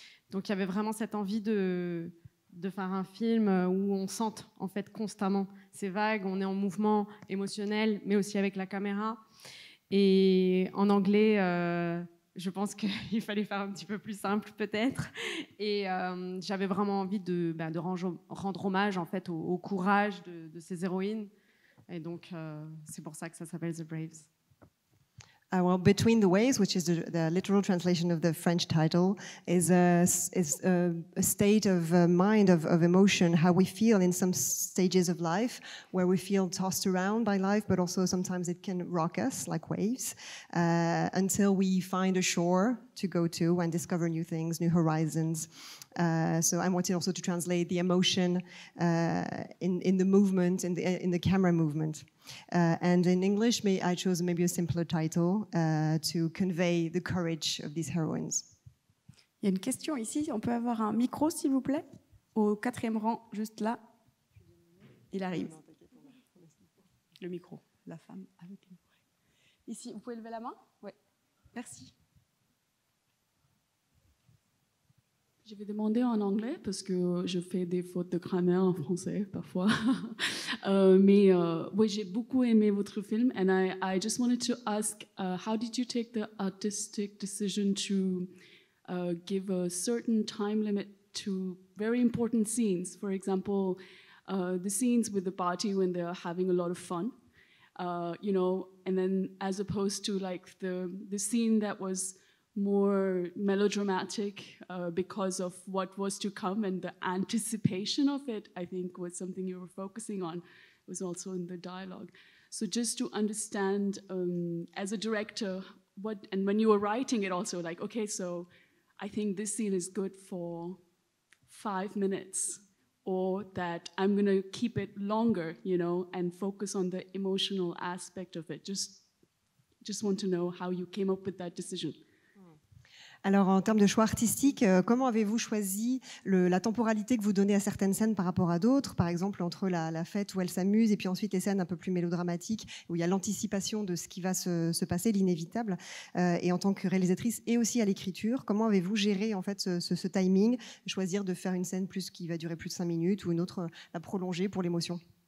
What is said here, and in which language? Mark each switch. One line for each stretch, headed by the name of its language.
French: Donc il y avait vraiment cette envie de faire un film où on sente en fait constamment ces vagues, on est en mouvement émotionnel, mais aussi avec la caméra. Et en anglais, je pense qu'il fallait faire un petit peu plus simple peut-être. Et j'avais vraiment envie de rendre hommage en fait au courage de ces héroïnes. Et donc c'est pour ça que ça s'appelle The Braves.
English: Well, Between the Waves, which is the literal translation of the French title, is a state of mind, of emotion, how we feel in some stages of life, where we feel tossed around by life, but also sometimes it can rock us like waves, until we find a shore to go to and discover new things, new horizons. So I wanted also to translate the emotion in the movement, in the camera movement. And in English, I chose maybe a simpler title to convey the courage of these heroines.
French: Il y a une question ici. On peut avoir un micro, s'il vous plaît, au quatrième rang, juste là. Il arrive. Le micro, la femme avec le micro. Ici, vous pouvez lever la main? Oui. Merci. Je vais demander en anglais parce que je fais des fautes de grammaire en français parfois. mais oui, j'ai beaucoup aimé votre film.
English: And I just wanted to ask, how did you take the artistic decision to give a certain time limit to very important scenes? For example, the scenes with the party when they're having a lot of fun, you know, and then as opposed to like the scene that was more melodramatic because of what was to come and the anticipation of it, I think, was something you were focusing on. It was also in the dialogue. So just to understand, as a director, what, and when you were writing it also, like, okay, so I think this scene is good for 5 minutes, or that I'm gonna keep it longer, you know, and focus on the emotional aspect of it. Just want to know how you came up with that decision.
French: Alors, en termes de choix artistique, comment avez-vous choisi la temporalité que vous donnez à certaines scènes par rapport à d'autres? Par exemple, entre la fête où elle s'amuse et puis ensuite les scènes un peu plus mélodramatiques où il y a l'anticipation de ce qui va se passer, l'inévitable. Et en tant que réalisatrice et aussi à l'écriture, comment avez-vous géré en fait ce timing, choisir de faire une scène plus qui va durer plus de 5 minutes ou une autre la prolonger pour l'émotion?